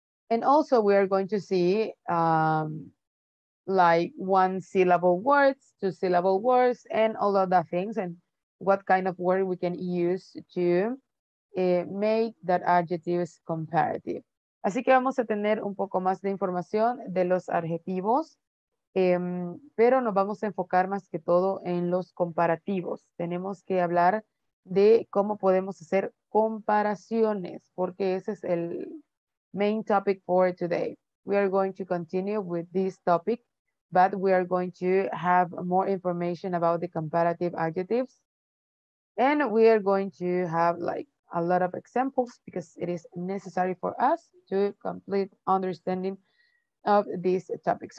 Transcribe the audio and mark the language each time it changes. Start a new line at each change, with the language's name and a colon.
English: And also we are going to see like one syllable words, two syllable words, and all of the things, and what kind of word we can use to make that adjectives comparative.
Spanish: Así que vamos a tener un poco más de información de los adjetivos, pero nos vamos a enfocar más que todo en los comparativos. Tenemos que hablar de cómo podemos hacer comparaciones, porque ese es el
English: main topic for today. We are going to continue with this topic, but we are going to have more information about the comparative adjectives. And we are going to have like a lot of examples because it is necessary for us to complete understanding of this topic.